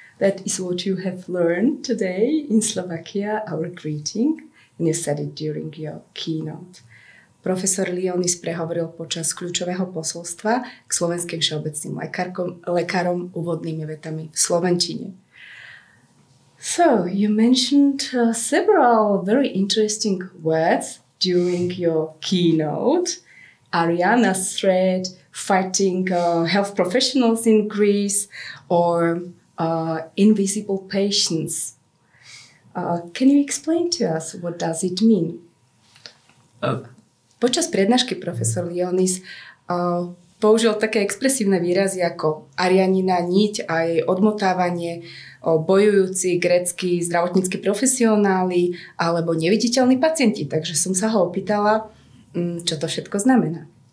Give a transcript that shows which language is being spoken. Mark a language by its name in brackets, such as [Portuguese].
[English] That is what you have learned today in Slovakia, our greeting, and you said it during your keynote. [Slovak] Profesor Lyonis prehovoril počas kľúčového posolstva k slovenským všeobecným lekárom úvodnými vetami v slovenčine. [English] So, you mentioned several very interesting words during your keynote. Ariana's threat, fighting health professionals in Greece, or invisible patients. Can you explain to us what does it mean? [Slovak] Počas prednášky profesor Lyonis použil také expresívne výrazy ako Arianina niť a jej odmotávanie, bojujúci grécky zdravotnícky profesionáli alebo neviditeľní pacienti. Takže som sa ho opýtala, čo to všetko znamená.